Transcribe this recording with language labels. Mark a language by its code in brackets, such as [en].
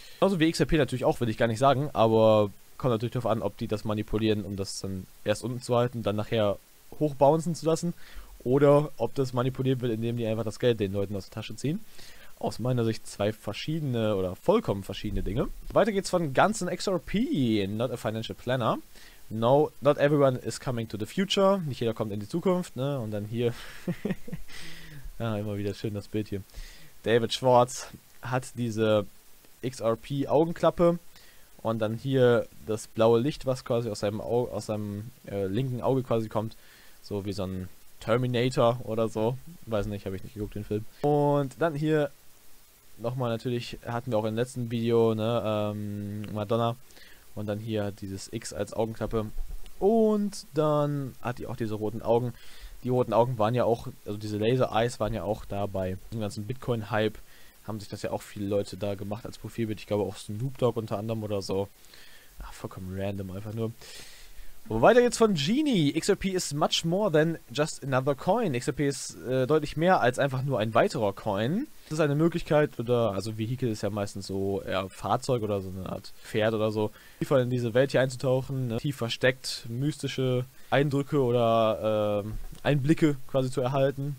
[de] Genauso wie XRP natürlich auch, will ich gar nicht sagen, aber kommt natürlich darauf an, ob die das manipulieren, um das dann erst unten zu halten, dann nachher hochbouncen zu lassen. Oder ob das manipuliert wird, indem die einfach das Geld den Leuten aus der Tasche ziehen. Aus meiner Sicht zwei verschiedene oder vollkommen verschiedene Dinge. Weiter geht's von ganzen XRP, [en] not a financial planner. No, not everyone is coming to the future. [de] Nicht jeder kommt in die Zukunft, ne? Und dann hier, ja, immer wieder schön das Bild hier. David Schwartz hat diese XRP-Augenklappe. Und dann hier das blaue Licht, was quasi aus seinem, linken Auge quasi kommt. So wie so ein Terminator oder so. Weiß nicht, habe ich nicht geguckt, den Film. Und dann hier nochmal natürlich, hatten wir auch im letzten Video, ne, Madonna. Und dann hier dieses X als Augenklappe. Und dann hat die auch diese roten Augen. Die roten Augen waren ja auch, also diese Laser-Eyes waren ja auch dabei. Im ganzen Bitcoin-Hype haben sich das ja auch viele Leute da gemacht als Profilbild. Ich glaube auch Snoop Dogg unter anderem oder so. Ach, vollkommen random einfach nur. Und weiter geht's von Genie. [en] XRP is much more than just another coin. [de] XRP ist deutlich mehr als einfach nur ein weiterer Coin. Das ist eine Möglichkeit, oder also Vehikel ist ja meistens so eher Fahrzeug oder so eine Art Pferd oder so, tiefer in diese Welt hier einzutauchen, ne? Tief versteckt mystische Eindrücke oder Einblicke quasi zu erhalten.